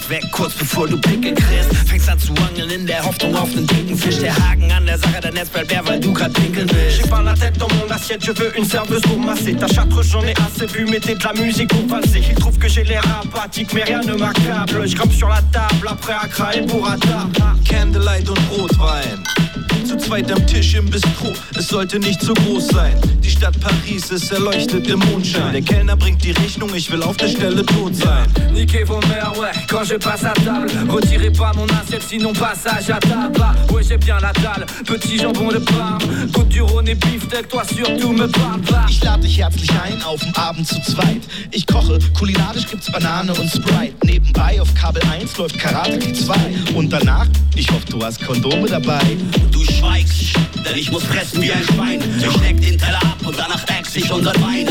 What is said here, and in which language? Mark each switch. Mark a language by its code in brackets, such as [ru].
[de] Kurz bevor du Pickel kriegst, fängst an zu angeln in der Hoffnung auf den dicken Fisch. Der Haken an der Sache, dein Netz bleibt leer, weil du grad pinkeln willst. [fr] J'ai pas la tête dans mon assiette, je veux une serveuse pour masser. Ta chatre, j'en ai assez vu, mettez de la musique pour valser. Il trouve que j'ai l'air apathique, mais rien ne m'accable. J'grimpe sur la table, après à craquer pour attendre. [de] Candlelight und Rotwein. Zu zweit am Tisch im Bistro, es sollte nicht so groß sein. Die Stadt Paris ist erleuchtet im Mondschein. Der Kellner bringt die Rechnung, ich will auf der Stelle tot sein. [fr] Niquez vos mères, ouais, quand je passe à table. Retirez pas mon assiette, sinon passage à tabac. Ouais, j'ai bien la dalle, petit jambon de Parme. Côte du Rhône et Beefsteak, toi surtout me parle pas. [de] Ich lade dich herzlich ein auf den Abend zu zweit. Ich koche, kulinarisch gibt's Banane und Sprite. Nebenbei auf Kabel 1 läuft Karate Kid 2. Und danach, ich hoffe, du hast Kondome dabei. Du schweigst, denn ich muss fressen wie ein Schwein. Ich steck den Teller ab und danach wächst ich unser Wein.